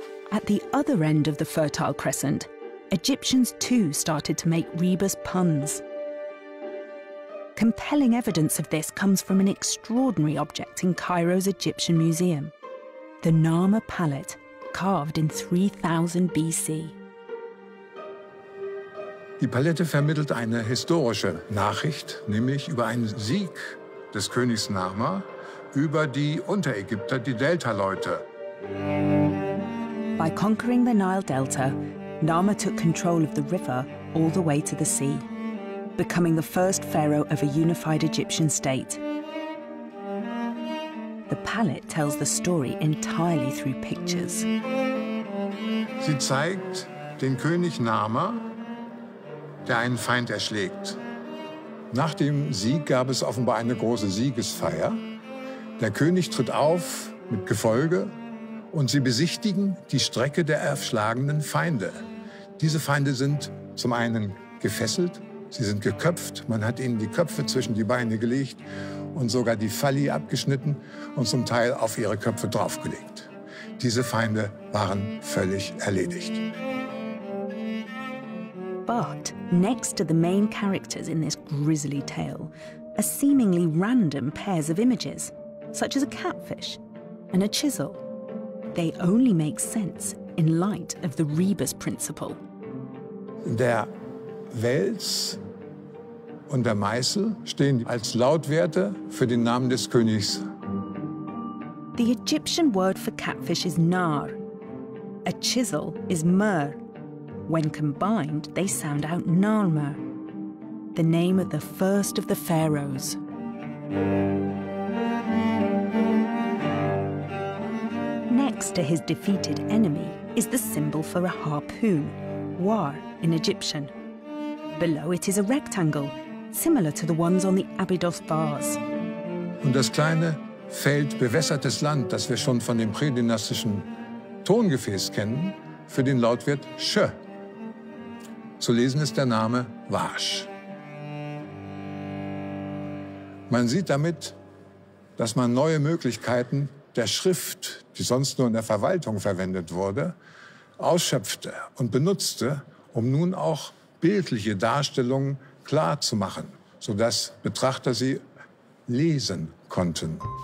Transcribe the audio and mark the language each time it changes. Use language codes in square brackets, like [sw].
[en] At the other end of the Fertile Crescent, Egyptians too started to make rebus puns. Compelling evidence of this comes from an extraordinary object in Cairo's Egyptian Museum, the Narmer Palette, carved in 3000 BC. [de] Die Palette vermittelt eine historische Nachricht, nämlich über einen Sieg des Königs Narma über die Unterägypter, die Delta-Leute. [en] By conquering the Nile Delta, Narmer took control of the river all the way to the sea, becoming the first pharaoh of a unified Egyptian state. The palette tells the story entirely through pictures. [de] Sie zeigt den König Narmer, der einen Feind erschlägt. Nach dem Sieg gab es offenbar eine große Siegesfeier. Der König tritt auf mit Gefolge, und sie besichtigen die Strecke der erschlagenen Feinde. Diese Feinde sind zum einen gefesselt, sie sind geköpft, man hat ihnen die Köpfe zwischen die Beine gelegt und sogar die Falli abgeschnitten und zum Teil auf ihre Köpfe draufgelegt. Diese Feinde waren völlig erledigt. [en] But next to the main characters in this grisly tale are seemingly random pairs of images, such as a catfish and a chisel. They only make sense in light of the Rebus Principle. [de] Der Wels und der Meißel stehen als Lautwerte für den Namen des Königs. [en] The Egyptian word for catfish is nar. A chisel is mer. When combined, they sound out Narmer, the name of the first of the pharaohs. Next to his defeated enemy is the symbol for a harpoon, war in Egyptian. Below it is a rectangle, similar to the ones on the Abydos vase. [de] Und das kleine Feld bewässertes Land, das wir schon von dem prädynastischen Tongefäß kennen, für den Lautwert sch. Zu lesen ist der Name Warsch. Man sieht damit, dass man neue Möglichkeiten der Schrift, die sonst nur in der Verwaltung verwendet wurde, ausschöpfte und benutzte, um nun auch bildliche Darstellungen klar zu machen, sodass Betrachter sie lesen konnten.